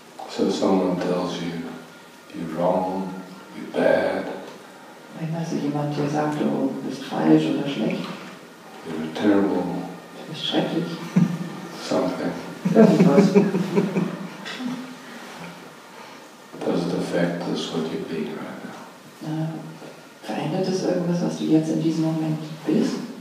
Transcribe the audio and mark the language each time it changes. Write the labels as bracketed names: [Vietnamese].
[English] So someone tells you you're wrong, you're bad. [German] Wenn also jemand dir sagt, oh, du bist falsch oder schlecht. [English] You're terrible. [German] Du bist schrecklich. [English] Something. [German] Irgendwas. [English] Does it affect this what you're being right now? [German] Verändert es irgendwas, was du jetzt in diesem Moment bist?